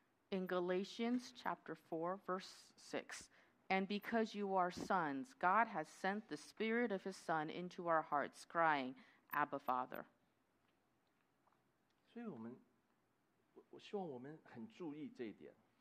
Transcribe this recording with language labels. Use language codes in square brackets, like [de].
[en] In Galatians chapter 4, verse 6. And because you are sons, God has sent the Spirit of His Son into our hearts, crying, Abba, Father. [zh] 所以我希望我们很注意这一点。